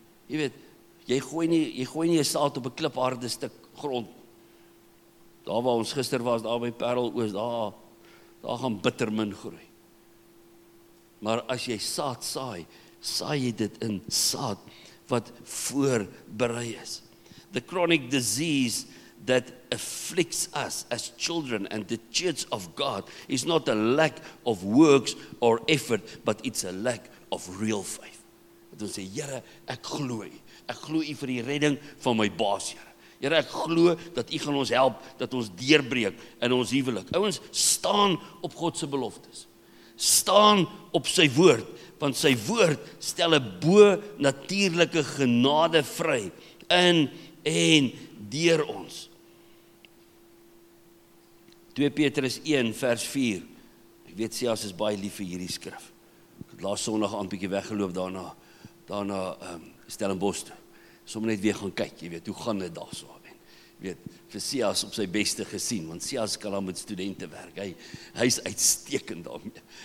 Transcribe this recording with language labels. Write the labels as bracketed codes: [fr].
[af] Jy weet, jy gooi nie 'n saad op 'n klipharde stuk grond. Daar waar ons gister was, daar by Parel Oos, daar gaan bitter min groei. Maar as jy saad saai jy dit in saad wat voorberei is. [en] The chronic disease that afflicts us as children and the church of God is not a lack of works or effort, but it's a lack of real faith. [af] Dan sê, Here, ek glo U. Ek glo U vir die redding van my baas, Here. Here, ek glo dat U gaan ons help, dat ons deurbreek in ons huwelik. Ouens, staan op God se beloftes. Staan op sy woord, want sy woord stel 'n bo natuurlike genade vry in en deur ons. 2 Petrus 1 vers 4. Ek weet Sias is baie lief vir hierdie skrif. Ek het laas Sondag aand bietjie weggeloop daarna Stellenbosch toe. Sommige net weer gaan kyk, jy weet, hoe gaan dit daar so? Jy weet, vir Sias op sy beste gesien, want Sias kan al met studente werk. Hy's uitstekend daarmee.